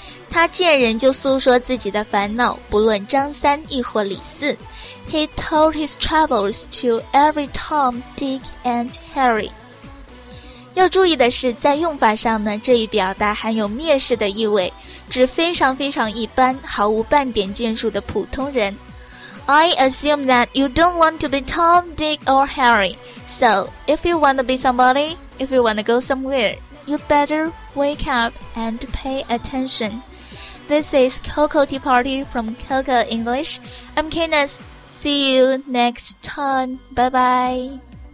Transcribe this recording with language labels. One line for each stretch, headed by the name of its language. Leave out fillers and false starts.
Chinese: 他见人就诉说自己的烦恼，不论张三亦或李四。
English: He told his troubles to every Tom, Dick and Harry.
Chinese: 要注意的是，在用法上呢，这一表达含有蔑视的意味，指非常非常一般，毫无半点建树的普通人。
English: I assume that you don't want to be Tom, Dick or Harry. So, if you want to be somebody, if you want to go somewhere, you better wake up and pay attention. This is Coco Tea Party from Coco English. I'm Kenneth. See you next time. Bye bye.